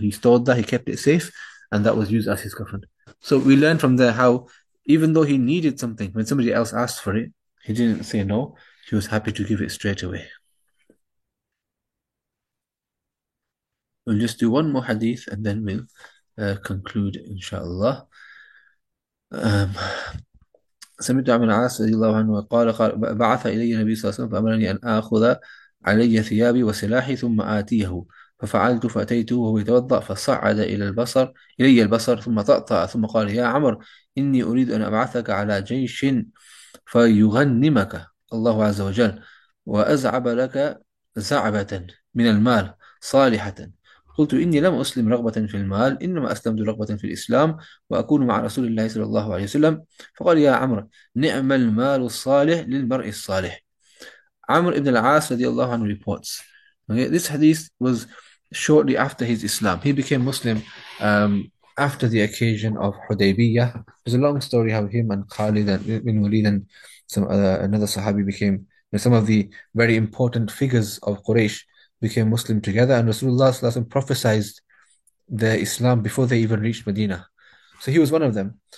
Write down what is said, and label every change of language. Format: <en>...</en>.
<en>He stored that, he kept it safe, and that was used as his kafan. So we learn from there how, even though he needed something, when somebody else asked for it, he didn't say no. He was happy to give it straight away. We'll just do one more hadith and then we'll conclude, inshallah.</en> <ar>سمعت عن عاص رضي الله عنه قال بعث إلي النبي صلى الله عليه وسلم فأمرني أن آخذ علي ثيابي وسلاحي ثم آتيه ففعلت فأتيته وهو يتوضأ فصعد إلى البصر إلي البصر ثم طأطأ ثم قال يا عمر إني أريد أن أبعثك على جيش فيغنمك الله عز وجل وأزعب لك زعبة من المال صالحة قلت إني لم أسلم رغبة في المال، إنما أسلمت رغبة في الإسلام وأكون مع رسول الله صلى الله عليه وسلم. فقال: يا عمرو، نعم المال الصالح للمرء الصالح. عمرو بن العاص رضي الله عنه</ar> <en>reports. Okay, this hadith was shortly after his Islam. He became Muslim after the occasion of Hudaybiyah. There's a long story how him and Khalid bin Walid and some other, another Sahabi became, some of the very important figures of Quraysh became Muslim together, and Rasulullah Sallallahu Alaihi Wasallam prophesied their Islam before they even reached Medina. So he was one of them.</en>